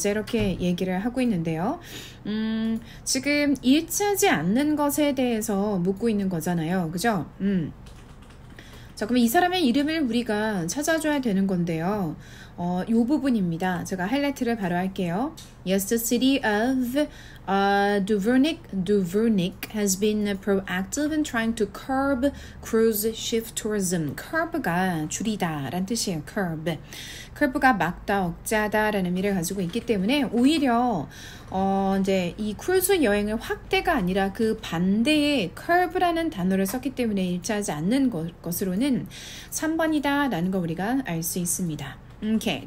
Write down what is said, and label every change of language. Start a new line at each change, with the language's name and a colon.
Korean: 이렇게 얘기를 하고 있는데요. 지금 일치하지 않는 것에 대해서 묻고 있는 거잖아요. 그죠? 자, 그럼 이 사람의 이름을 우리가 찾아줘야 되는 건데요. 요 부분입니다. 제가 하이라이트를 바로 할게요.
English: Yes, the city of Dubrovnik has been proactive in trying to curb cruise ship tourism.
Korean: Curb가 줄이다 라는 뜻이에요. Curb. Curb가 막다, 억제하다 라는 의미를 가지고 있기 때문에 오히려 이제 이 크루즈 여행을 확대가 아니라 그 반대에 curb라는 단어를 썼기 때문에 일치하지 않는 것으로는 3번이다 라는 걸 우리가 알 수 있습니다. 오케이.